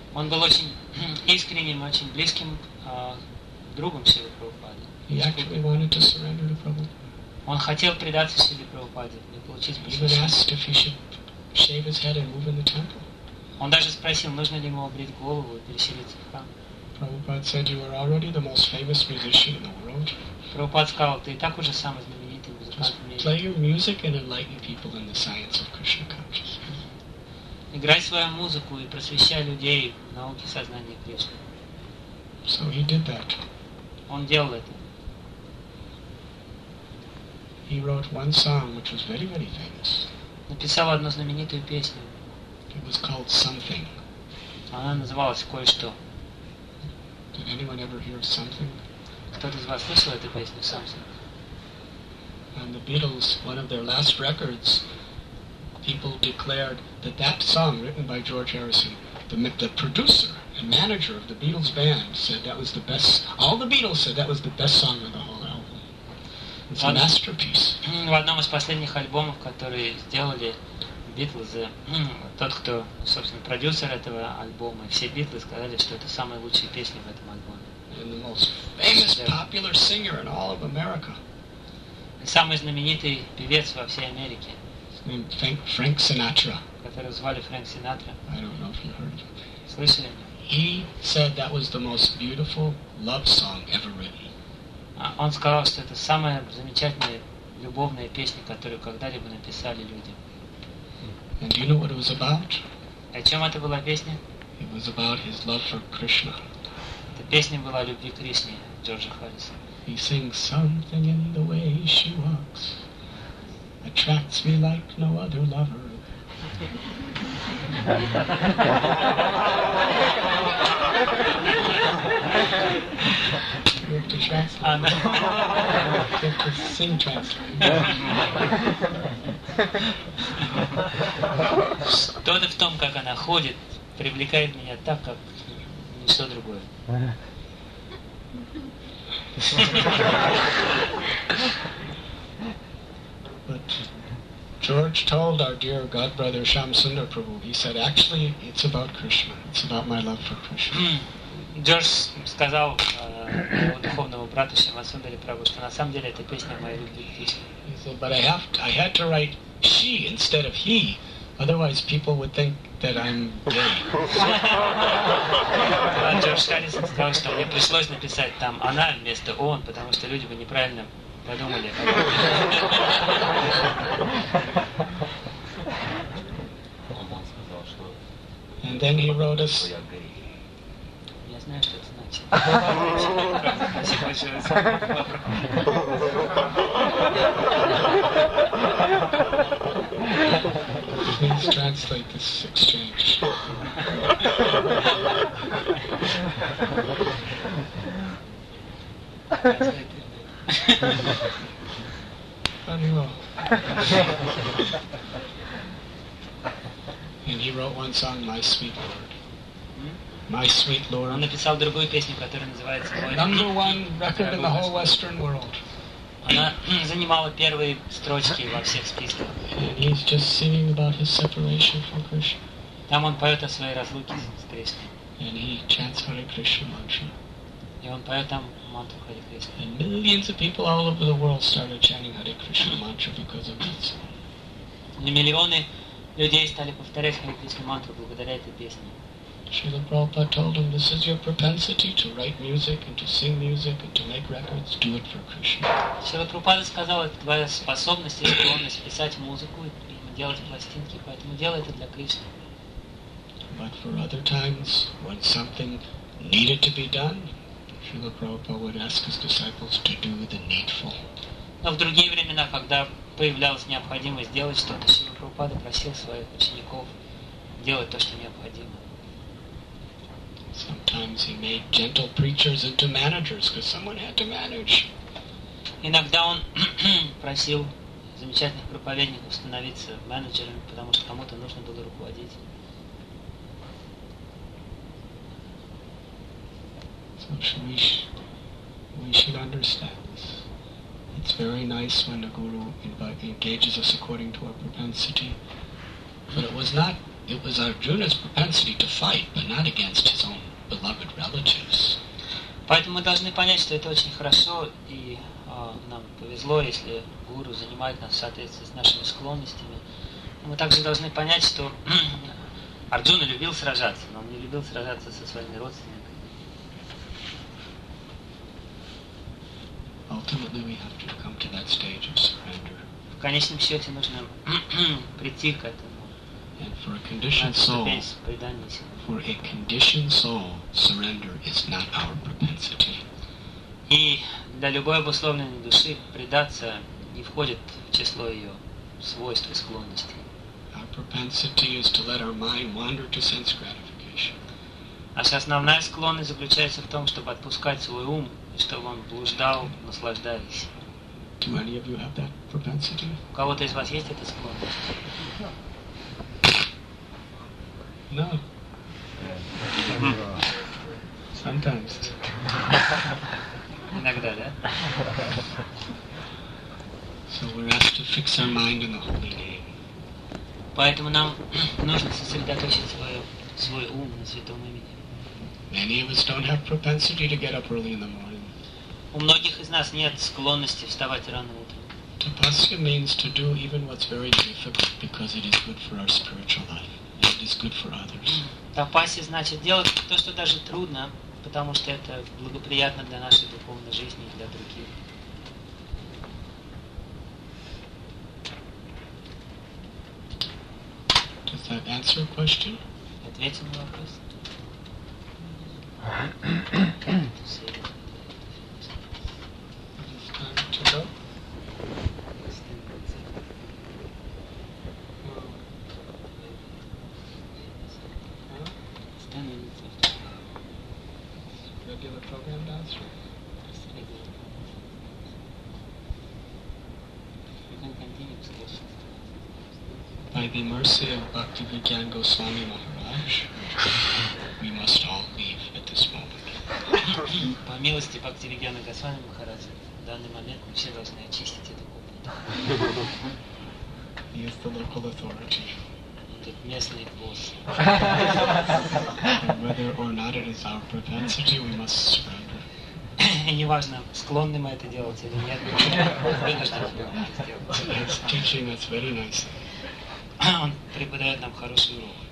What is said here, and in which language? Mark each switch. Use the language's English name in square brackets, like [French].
[Russian] Он был очень искренним, очень близким другом Шрилы Прабхупады. [English] He actually wanted to surrender to Prabhupada. [Russian] Он хотел предаться Шриле Прабхупаде и получить посвящение. [English] He asked if he should shave his head and move in the temple. [Russian] Он даже спросил, нужно ли ему обрить голову и переселиться в храм. [English] Prabhupada said, you are already the most famous musician in the world. [Russian] Прабхупада сказал, ты и так уже самый знаменитый музыкант в мире. [English] Play your music and enlighten people in the science of Krishna consciousness. [Russian] Играй свою музыку и просвещай людей в науке сознания Кришны. [English] So he did that. [Russian] Он делал это. [English] He wrote one song, which was very, very famous. [Russian] Написал одну знаменитую песню. [English] It was called Something. [Russian] Она называлась «Кое-что». [English] Did anyone ever hear Something? [Russian] Кто-то из вас слышал эту песню Something? [English] And the Beatles, one of their last records, people declared that that song written by George Harrison, the producer and manager of the Beatles band, said that was the best. All the Beatles said that was the best song of the whole album. It's a masterpiece. [Russian] В одном из последних альбомов, которые сделали Битлзы, тот, кто, собственно, продюсер этого альбома, все Битлы сказали, что это самая лучшая песня в этом альбоме. [English] And the most famous popular singer in all of America. [Russian] Самый знаменитый певец во всей Америке. [English] Named Frank Sinatra. [Russian] Которого звали Фрэнк Синатра. [English] I don't know if you heard him. [Russian] Слышали? [English] He said that was the most beautiful love song ever written. [Russian] Он сказал, что это самая замечательная любовная песня, которую когда-либо написали люди. [English] And do you know what it was about? [Russian] О чем это была песня? [English] It was about his love for Krishna. [Russian] Эта песня была о любви к Кришне Джорджа Харрисона. [English] He sings something in the way she walks. Attracts me like no other lover. You have to translate. You have to sing translate. [Russian] Что-то в том, как она ходит, привлекает меня так, как ничто другое. [English] But George told our dear godbrother Shamsundar Prabhu, he said, actually, it's about Krishna. It's about my love for Krishna. [Russian] George сказал духовному брату Шамасундаре Прабху, что на самом деле эта песня о моей любви к Кришне. [English] He said, but I had to write she instead of he, otherwise people would think that I'm gay. [Russian] George Harrison сказал, что мне пришлось написать там она вместо он, потому что люди бы неправильно подумали. [English] And then he wrote us. [Russian] Я знаю, что это значит. [English] Please translate this exchange. And he wrote one song, My Sweet Lord. My Sweet Lord. [Russian] Он написал другую песню, которая называется «Мой». [English] Number one record in the whole Western world. [Russian] Она занимала первые строчки во всех списках. [English] And he's just singing about his separation from Krishna. [Russian] Там он поет о своей разлуке с Кришной. [English] And he chants Hare Krishna mantra. [Russian] И он поет там мантру Hare [English] Krishna. And millions of people all over the world started chanting Hare Krishna mantra because of that song. [Russian] Миллионы людей стали повторять Hare Krishna mantra благодаря этой песне. [English] Srila Prabhupada told him, this is your propensity to write music and to sing music and to make records, do it for Krishna. [Russian] Srila Prabhupada сказал, это твоя способность и склонность писать музыку и делать пластинки, поэтому делай это для Кришны. [English] But for other times, when something needed to be done, Srila Prabhupada would ask his disciples to do the needful. [Russian] Но в другие времена, когда появлялась необходимость делать что-то, Шрила Прабхупада просил своих учеников делать то, что необходимо. [English] Sometimes he made gentle preachers into managers, because someone had to manage. [Russian] Иногда он просил замечательных проповедников становиться менеджерами, потому что кому-то нужно было руководить. [English] So we should understand this. It's very nice when a guru engages us according to our propensity, but it was Arjuna's propensity to fight, but not against his own beloved relatives. [Russian] Поэтому мы должны понять, что это очень хорошо, и нам повезло, если гуру занимает нас в соответствии с нашими склонностями. Мы также должны понять, что Арджуна любил сражаться, но он не любил сражаться со своими родственниками. [English] Ultimately, we have to come to that stage of surrender. [Russian] В конечном счете нужно прийти к этому. [English] And for a conditioned soul, surrender is not our propensity. [Russian] И для любой обусловленной души предаться не входит в число ее свойств и склонностей. [English] Our propensity is to let our mind wander to sense gratification. [Russian] Наша основная склонность заключается в том, чтобы отпускать свой ум, чтобы он блуждал, наслаждаясь. [English] Do any of you have that propensity? [Russian] У кого-то из вас есть эта склонность? [English] No. Sometimes. [Russian] Иногда, да? [English] So we're asked to fix our mind in the holy name. [Russian] Поэтому нам нужно сосредоточить свой ум на святом имени. [English] Many of us don't have propensity to get up early in the morning. [Russian] У многих из нас нет склонности вставать рано утром. [English] Tapasya means to do even what's very difficult because it is good for our spiritual life and it is good for others. [Russian] Tapasya значит делать то, что даже трудно, потому что это благоприятно для нашей духовной жизни и для других. [English] Does that answer a question? [Russian] Ответим на вопрос. [English] It's time to go. It's 10 minutes after. Regular program dance, right? You can continue to listen. By the mercy of Bhakti Vigyan Goswami Maharaj, we must all leave at this moment. [Russian] По милости Бхакти Вигьяна Госвами Махараджа, в данный момент мы все должны очистить эту комнату. [English] He is the local authority. [Russian] Он тут местный босс. [English] And whether or not it is our propensity, we must surrender. [Russian] Неважно, склонны мы это делать или нет, мы вынуждены это делать. [English] He's teaching us very nicely. [Russian] Он преподает нам хороший урок.